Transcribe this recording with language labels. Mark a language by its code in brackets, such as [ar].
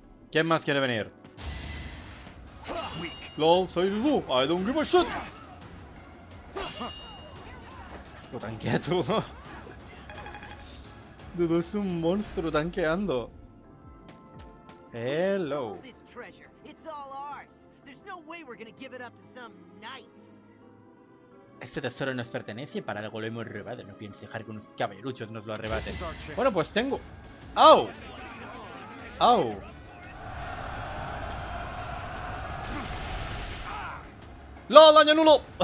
[es] ¿Quién más quiere venir? ¡Lol! ¡Soy Dudu! [en] ¡I don't give a shit! [es] ¡Tú tanquea tú! Dudu es un monstruo tanqueando. [en] Hello. This treasure, it's all ours. There's no way we're gonna give it up to some knights. [es] Este tesoro nos pertenece y para algo lo hemos robado. No pienso dejar que unos caballeruchos nos lo arrebaten. Bueno, pues tengo. ¡Au! ¡Au! ¡Lol! ¡Daño nulo!